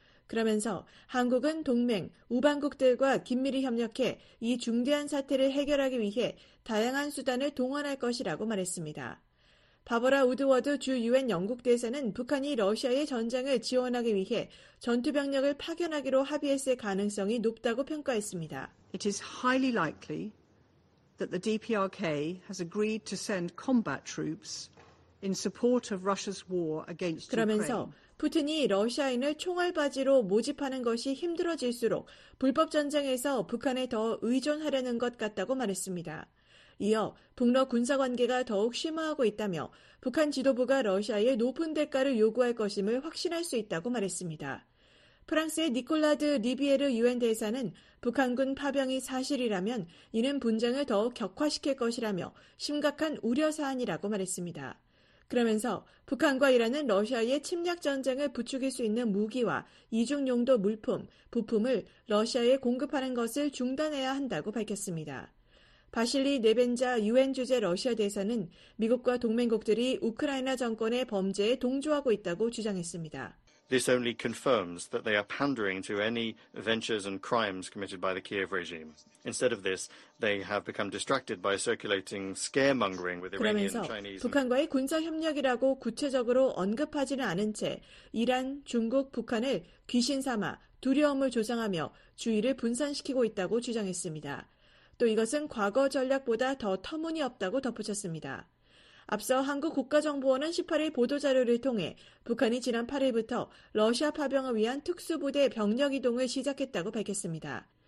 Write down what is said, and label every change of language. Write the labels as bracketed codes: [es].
[ko] 그러면서 한국은 동맹, 우방국들과 긴밀히 협력해 이 중대한 사태를 해결하기 위해 다양한 수단을 동원할 것이라고 말했습니다. 바보라 우드워드 주 유엔 영국대사는 북한이 러시아의 전쟁을 지원하기 위해 전투병력을 파견하기로 합의했을 가능성이 높다고 평가했습니다. [en] It is highly likely that the DPRK has agreed to send combat troops in support of Russia's war against Ukraine. [ko] 그러면서 푸틴이 러시아인을 총알받이로 모집하는 것이 힘들어질수록 불법 전쟁에서 북한에 더 의존하려는 것 같다고 말했습니다. 이어 북러 군사관계가 더욱 심화하고 있다며 북한 지도부가 러시아에 높은 대가를 요구할 것임을 확신할 수 있다고 말했습니다. 프랑스의 니콜라드 리비에르 유엔 대사는 북한군 파병이 사실이라면 이는 분쟁을 더욱 격화시킬 것이라며 심각한 우려사안이라고 말했습니다. 그러면서 북한과 이란은 러시아의 침략전쟁을 부추길 수 있는 무기와 이중용도 물품, 부품을 러시아에 공급하는 것을 중단해야 한다고 밝혔습니다. 바실리 네벤자 유엔 주재 러시아 대사는 미국과 동맹국들이 우크라이나 정권의 범죄에 동조하고 있다고 주장했습니다. [en] This only confirms that they are pandering to any ventures and crimes committed by the Kiev regime. Instead of this, they have become distracted by circulating scaremongering with Iranian Chinese. [ko] 그러면서 북한과의 군사 협력이라고 구체적으로 언급하지는 않은 채 이란, 중국, 북한을 귀신 삼아 두려움을 조장하며 주의를 분산시키고 있다고 주장했습니다. 또 이것은 과거 전략보다 더 터무니없다고 덧붙였습니다. 앞서 한국 국가정보원은 18일 보도자료를 통해 북한이 지난 8일부터 러시아 파병을 위한 특수부대 병력 이동을 시작했다고 밝혔습니다.